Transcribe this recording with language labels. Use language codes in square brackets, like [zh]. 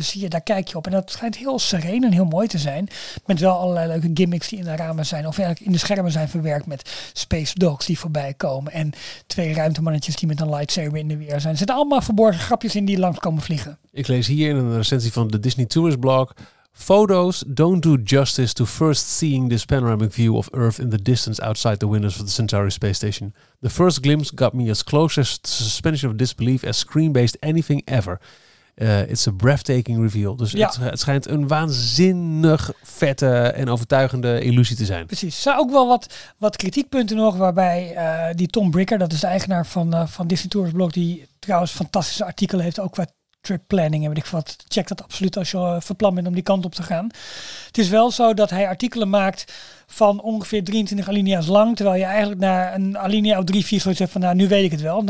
[nl] Zie je, daar kijk je op. En dat schijnt heel sereen en heel mooi te zijn. Met wel allerlei leuke gimmicks die in de ramen zijn. Of eigenlijk in de schermen zijn verwerkt met space dogs die voorbij komen. En twee ruimtemannetjes die met een lightsaber in de weer zijn. Er zitten allemaal verborgen grapjes in die langs komen vliegen. Ik lees hier in een recensie van de Disney Tourist Blog. [en] Photos don't do justice to first seeing this panoramic view of Earth in the distance outside the windows of the Centauri Space Station. The first glimpse got me as close as suspension of disbelief as screen-based anything ever. It's a breathtaking reveal. [nl] Dus ja. Het schijnt een waanzinnig vette en overtuigende illusie te zijn. Precies. Er zijn ook wel wat kritiekpunten nog waarbij die Tom Bricker, dat is de eigenaar van Disney Tours Blog, die trouwens fantastische artikelen heeft ook qua trip planning en weet ik wat. Check dat absoluut als je van plan bent om die kant op te gaan. Het is wel zo dat hij artikelen maakt van ongeveer 23 alinea's lang, terwijl je eigenlijk na een alinea of 3-4 zoiets hebt van nou, nu weet ik het wel.